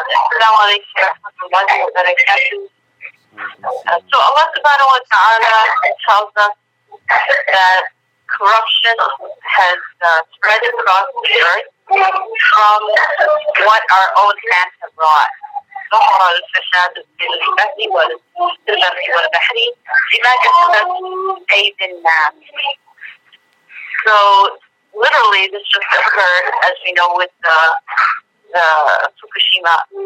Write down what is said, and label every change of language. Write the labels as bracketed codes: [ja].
[ar] السلام عليكم ورحمة الله وبركاته. [en] So Allah subhanahu wa ta'ala tells us that corruption has spread across the earth from what our own hands have wrought. [ar] ظهر الفساد في البحر والسلم والبحر بما كسبت أيدي الناس. [en] So literally this just occurred, as we know, with the Fukushima.